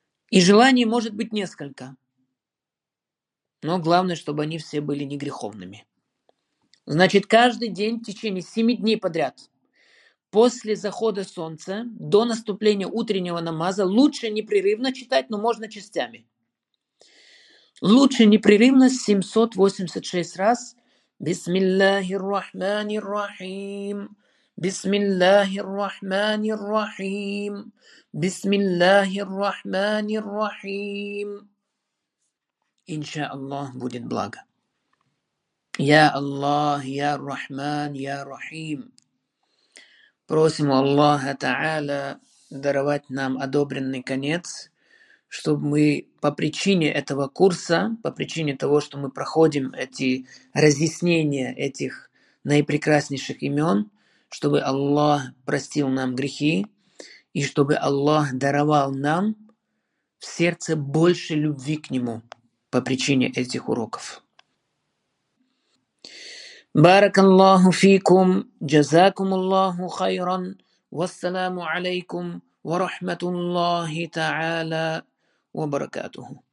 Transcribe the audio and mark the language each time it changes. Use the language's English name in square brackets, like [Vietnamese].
[Russian] И желаний может быть несколько. Но главное, чтобы они все были негреховными. Значит, каждый день в течение 7 дней подряд, после захода солнца, до наступления утреннего намаза, лучше непрерывно читать, но можно частями. Лучше непрерывно 786 раз [Arabic] بسم الله الرحمن الرحيم بسم الله الرحمن الرحيم بسم الله الرحمن الرحيم إن شاء الله [Russian] будет благо. [Arabic] يا الله يا الرحمن يا رحيم [Russian] просим الله تعالى даровать нам одобренный конец, чтобы мы по причине этого курса, по причине того, что мы проходим эти разъяснения этих наипрекраснейших имен, чтобы Аллах простил нам грехи и чтобы Аллах даровал нам в сердце больше любви к Нему по причине этих уроков. [Arabic] بارك الله فيكم جزاكم الله خيرا والسلام عليكم ورحمة الله تعالى وبركاته.